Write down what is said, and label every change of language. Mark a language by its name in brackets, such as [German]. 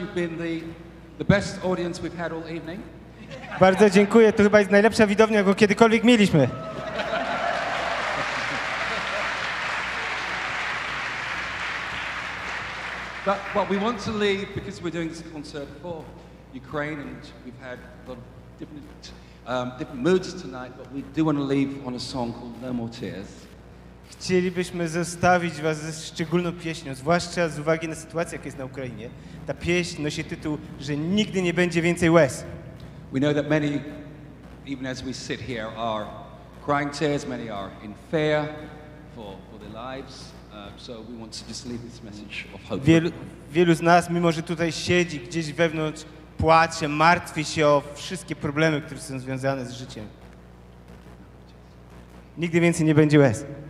[English] You've been the best audience we've had all evening. [Polish] Bardzo dziękuję. To chyba jest najlepsza widownia, jaką kiedykolwiek mieliśmy. [English] But what we want to leave, because we're doing this concert for Ukraine and we've had a lot of different moods tonight, but we do want to leave on a song called No More Tears. [Polish] Chcielibyśmy zostawić Was ze szczególną pieśnią, zwłaszcza z uwagi na sytuację, jaka jest na Ukrainie. Ta pieśń nosi tytuł, że nigdy nie będzie więcej łez. [English] We know that many, even as we sit here, are crying tears, many are in fear for their lives. So we want to just leave this message of hope. [Polish] Wielu z nas, mimo że tutaj siedzi gdzieś wewnątrz, płacze, martwi się o wszystkie problemy, które są związane z życiem. Nigdy więcej nie będzie łez.